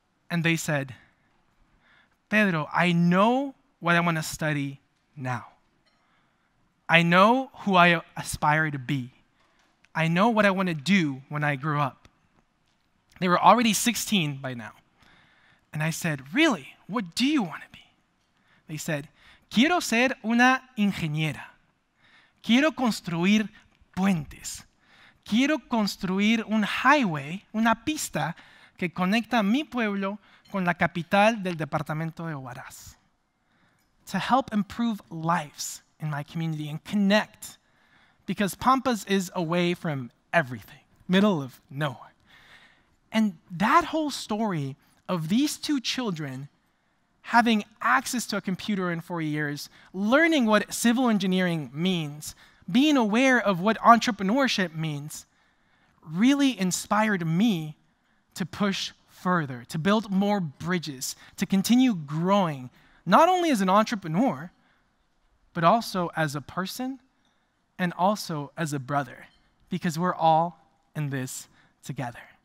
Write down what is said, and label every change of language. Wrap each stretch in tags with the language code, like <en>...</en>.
<en>And they said, Pedro, I know what I want to study now. I know who I aspire to be. I know what I want to do when I grow up. They were already 16 by now. And I said, really, what do you want to be? They said,</en> <es>quiero ser una ingeniera. Quiero construir puentes. Quiero construir un</es> <en>highway,</en> <es>una pista, que conecta mi pueblo con la capital del departamento de Huaraz.</es> <en>To help improve lives in my community and connect, because Pampas is away from everything, middle of nowhere. And that whole story of these two children having access to a computer in 4 years, learning what civil engineering means, being aware of what entrepreneurship means, really inspired me to push further, to build more bridges, to continue growing, not only as an entrepreneur, but also as a person, and also as a brother, because we're all in this together.</en>